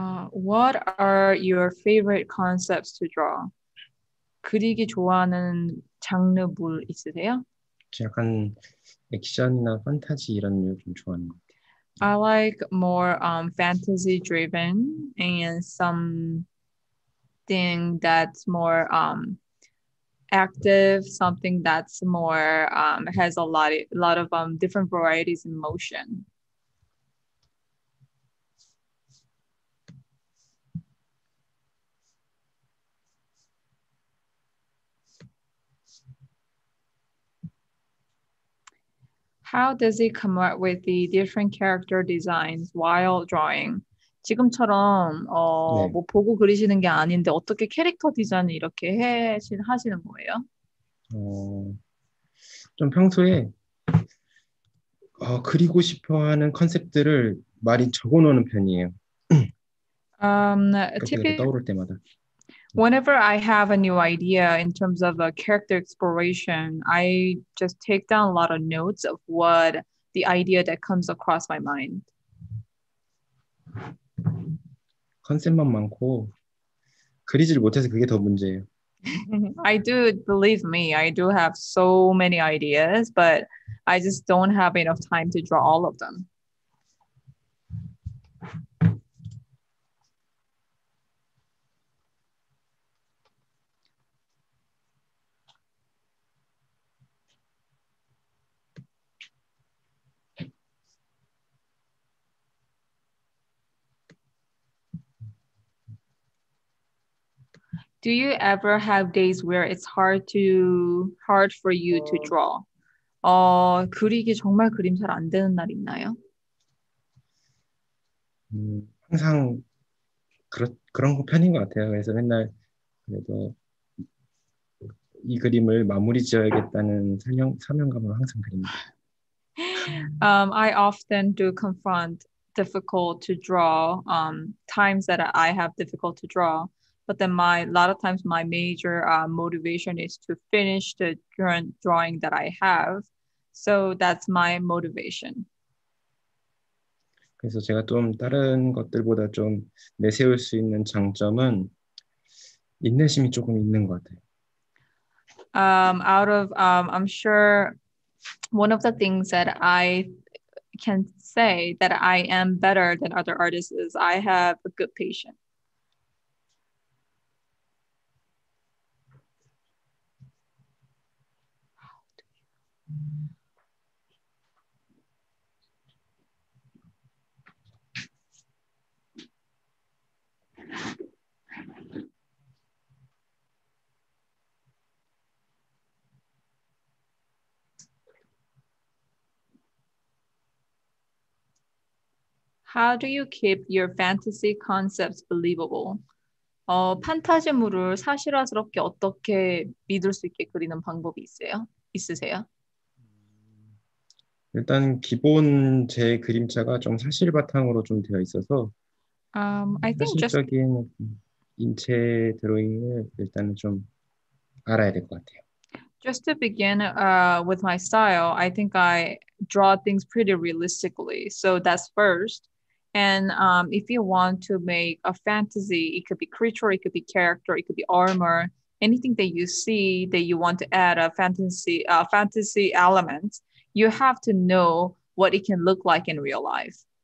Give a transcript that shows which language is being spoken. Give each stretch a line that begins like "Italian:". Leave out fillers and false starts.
English: What are your favorite concepts to draw?
Korean: 그리기 좋아하는 장르 물 있으세요? 약간 액션이나 판타지 이런 류 좀 좋아하는 것 같아요.
English: I like more fantasy driven and something that's more active, something that's more has a lot of different varieties in motion. How does he come up with the different character designs while drawing?
Korean: 지금처럼 뭐 보고 그리시는 게 아닌데 어떻게 캐릭터 디자인을 이렇게 하시는 거예요? 좀 평소에 그리고 싶어하는 컨셉들을 많이 적어놓는 편이에요.
English: Typically, whenever I have a new idea in terms of a character exploration, I just take down a lot of notes of what the idea that comes across my mind.
Korean: 컨셉만 많고 그리질 못해서 그게 더 문제예요.
English: I do, believe me, I do have so many ideas, but I just don't have enough time to draw all of them. Do you ever have days where it's hard for you to draw?
Korean: 그리기 정말 그림 잘 안 되는 날 있나요? 항상 그런 편인 것 같아요. 그래서 맨날 그래도 이 그림을 마무리 지어야겠다는 사명감으로 항상 그립니다.
English: I often do confront difficult to draw times that I have difficult to draw. But then a lot of times my major motivation is to finish the current drawing that I have. So that's my motivation.
Korean: 그래서 제가 좀 다른 것들보다 좀 내세울 수 있는 장점은 인내심이 조금 있는 것 같아요.
English: I'm sure one of the things that I can say that I am better than other artists is I have a good patience. How do you keep your fantasy concepts believable?
Korean: 판타지물을 사실화스럽게 어떻게 믿을 수 있게 그리는 방법이 있으세요? 일단 기본 제 그림체가 좀 사실 바탕으로 좀 되어 있어서 사실적인 인체 드로잉을 일단은 좀 알아야 될 것 같아요.
English: Just to begin with my style, I think I draw things pretty realistically. So that's first. And if you want to make a fantasy, it could be creature, it could be character, it could be armor, anything that you see that you want to add a fantasy element, you have to know what it can look like in real life.